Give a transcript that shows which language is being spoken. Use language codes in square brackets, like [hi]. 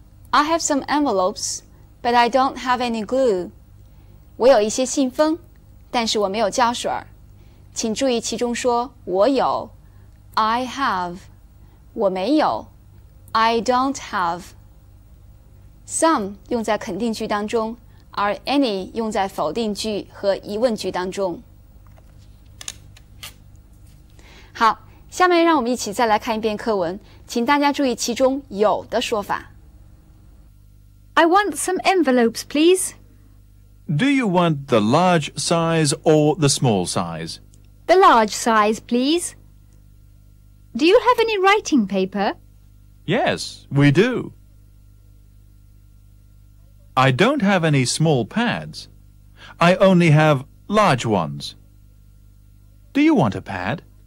[en] I have some envelopes, but I don't have any glue. [zh] 我有一些信封，但是我没有胶水。请注意其中说我有 [en] I have， [zh] 我没有 [en] I don't have。 [zh] Some 用在肯定句当中，而 any 用在否定句和疑问句当中。好，下面让我们一起再来看一遍课文，请大家注意其中有的说法。 [en] I want some envelopes, please. Do you want the large size or the small size? The large size, please. Do you have any writing paper? Yes, we do. I don't have any small pads. I only have large ones. Do you want a pad?